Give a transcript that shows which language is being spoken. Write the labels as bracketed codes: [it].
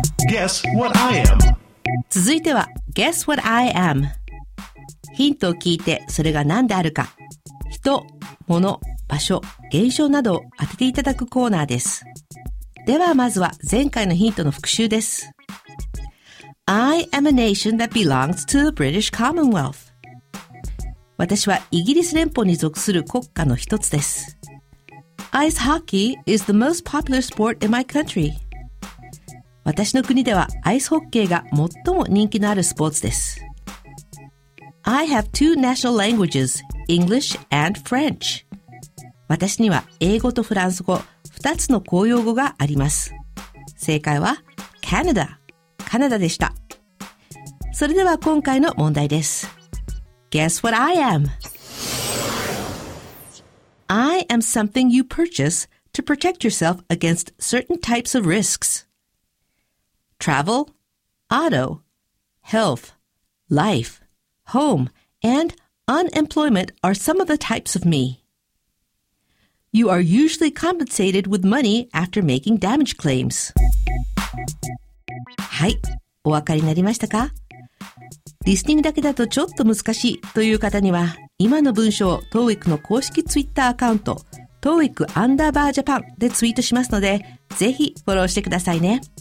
[en] Guess what I am. [ja] 続いては [en] Guess what I am. [ja] ヒントを聞いて、それが何であるか、人、物、場所、現象などを当てていただくコーナーです。ではまずは前回のヒントの復習です。 [en] I am a nation that belongs to the British Commonwealth. [ja] 私はイギリス連邦に属する国家の一つです。 [en] Ice hockey is the most popular sport in my country. [ja] 私の国ではアイスホッケーが最も人気のあるスポーツです。 [en] I have two national languages, English and French. [ja] 私には英語とフランス語、二つの公用語があります。正解は Canada、カナダでした。それでは今回の問題です。 [en] Guess what I am? I am something you purchase to protect yourself against certain types of risks. Travel, auto, health, life, home, and unemployment are some of the types of me. You are usually compensated with money after making damage claims. [ja] はい、お分かりになりましたか？リスニングだけだとちょっと難しいという方には、今の文章を TOEIC の公式 Twitter アカウント TOEIC アンダーバージャパンでツイートしますので、ぜひフォローしてくださいね。